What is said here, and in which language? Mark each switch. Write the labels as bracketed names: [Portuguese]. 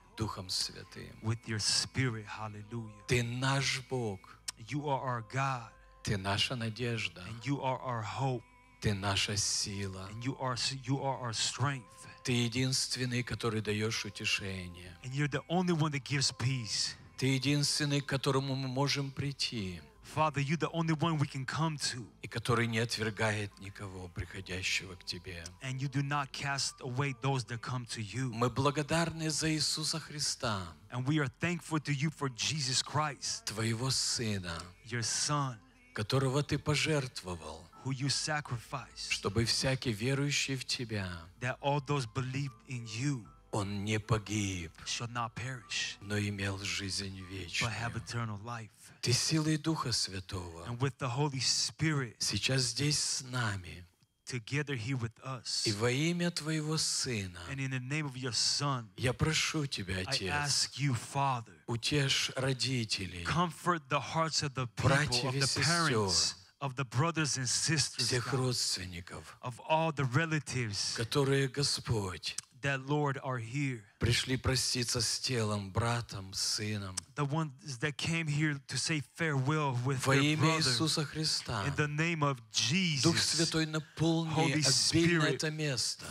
[Russian] Духом Святым. [English] With your spirit, hallelujah. [Russian] Ты наш Бог. [English] You are our God. [Russian] Ты наша надежда. [English] And you are our hope. [Russian] Ты наша сила. [English] And you are our strength. [Russian] Ты единственный, который даешь утешение. [English] And you're the only one that gives peace. [Russian] Ты единственный, к которому мы можем прийти. [English] Father, you're the only one we can come to. [Russian] И который не отвергает никого, приходящего к Тебе. [English] And you do not cast away those that come to you. [Russian] Мы благодарны за Иисуса Христа. [English] And we are thankful to you for Jesus Christ. [Russian] Твоего Сына. [English] Your Son. [Russian] Которого Ты пожертвовал. [English] Who you sacrificed. [Russian] Чтобы всякий верующий в Тебя. [English] That all those believed in you. [Russian] Он не погиб, [English] shall not perish, [Russian] но имел жизнь вечную. [English] But have eternal life. [Russian] Ты силой Духа Святого. [English] And with the Holy Spirit, [Russian] сейчас здесь с нами. [English] Together here with us. [Russian] И во имя Твоего Сына. [English] And in the name of your Son, [Russian] я прошу Тебя, Отец. [English] I ask you, Father, [Russian] утешь родителей. [English] Comfort the hearts of the people, of the parents. Of the brothers and sisters. [Russian] Всех родственников. [English] Of all the relatives. [Russian] Которые Господь. [English] That Lord are here. [Russian] Пришли проститься с телом, братом, сыном. [English] The ones that came here to say farewell with [Russian] Во [English] their brother. [Russian] Во имя Иисуса Христа. [English] In the name of Jesus. [Russian] Дух Святой, наполни обильно это место.